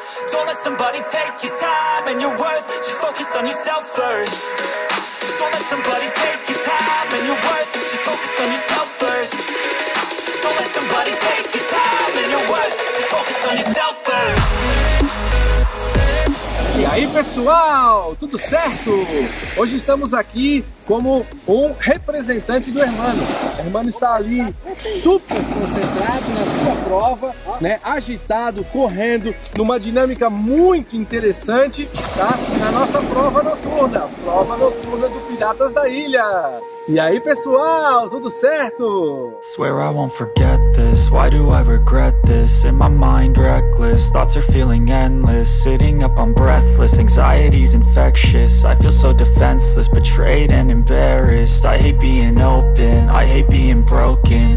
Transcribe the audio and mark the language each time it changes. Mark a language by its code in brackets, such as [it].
[en] Don't let somebody take your time and your worth. Just focus on yourself first. Don't let somebody take your time and your worth. Just focus on yourself first. Don't let somebody take your time and your worth. Just focus on yourself first. [pt] E aí, pessoal, tudo certo? Hoje estamos aqui como um representante do Hermano. O Hermano está ali super concentrado na sua prova, né? Agitado, correndo, numa dinâmica muito interessante, tá? Na nossa prova noturna do Piratas da Ilha. E aí, pessoal, tudo certo? [en] Swear I won't forget this, why do I regret this? In my mind reckless, thoughts are feeling endless. Sitting up, I'm breathless, anxiety's infectious. I feel so defenseless, betrayed and embarrassed. I hate being open, I hate being broken.